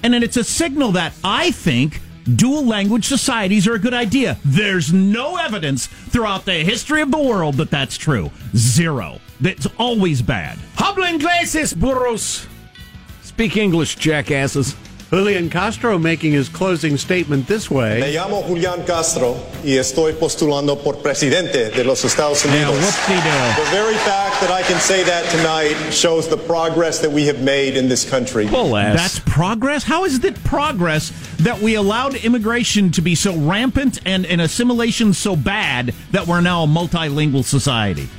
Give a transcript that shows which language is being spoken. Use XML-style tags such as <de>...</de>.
<en>And then it's a signal that I think dual language societies are a good idea. There's no evidence throughout the history of the world that that's true. Zero. That's always bad.</en> <es>Habla ingleses, burros.</es> <en>Speak English, jackasses. Julian Castro making his closing statement this way.</en> <es>Me llamo Julian Castro y estoy postulando por presidente de los Estados Unidos.</es> <en>Now, whoopsie-doo. The very fact that I can say that tonight shows the progress that we have made in this country. Bull-ass. That's progress? How is it progress that we allowed immigration to be so rampant and assimilation so bad that we're now a multilingual society?</en>